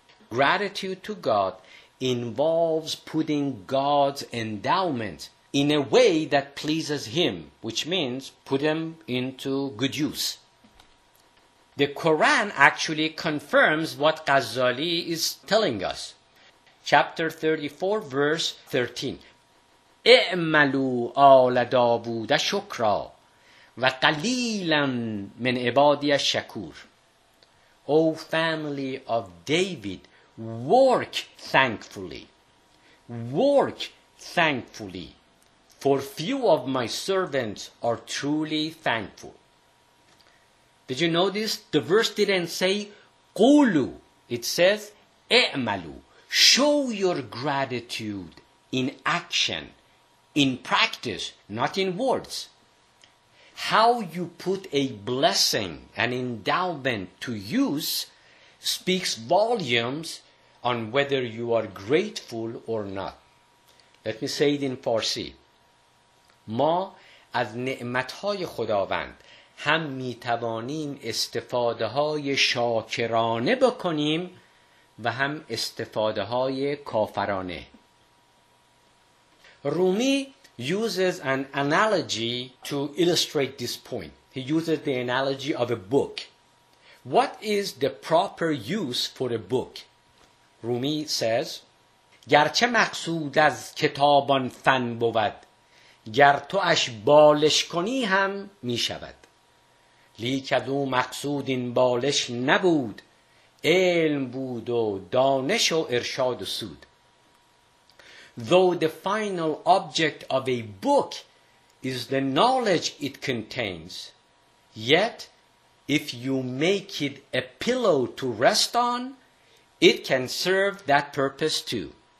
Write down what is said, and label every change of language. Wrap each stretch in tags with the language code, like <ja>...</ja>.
<en>Gratitude to God involves putting God's endowment in a way that pleases him, which means put them into good use. The Quran actually confirms what Ghazali is telling us. Chapter 34, verse 13.</en> <ar>اعملوا آل داوود شكرا وقليلا من عبادي الشكور.</ar> <en>O family of David, work thankfully. Work thankfully, for few of my servants are truly thankful. Did you notice the verse didn't say قولوا, it says اعملوا. Show your gratitude in action, in practice, not in words. How you put a blessing, an endowment to use, speaks volumes on whether you are grateful or not. Let me say it in Farsi.</en> <fa>ما از نعمتهای خداوند هم می توانیم استفاده های شاکرانه بکنیم و هم استفاده های کافرانه.</fa> <en>Rumi uses an analogy to illustrate this point. He uses the analogy of a book. What is the proper use for a book? Rumi says,</en> <fa>گرچه مقصود از کتابان فن بود گر تو اش بالش کنی هم می شود. لیک از او مقصود این بالش نبود، علم بود و دانش و ارشاد و سود.</fa> <en>Though the final object of a book is the knowledge it contains, yet if you make it a pillow to rest on, it can serve that purpose too.</en>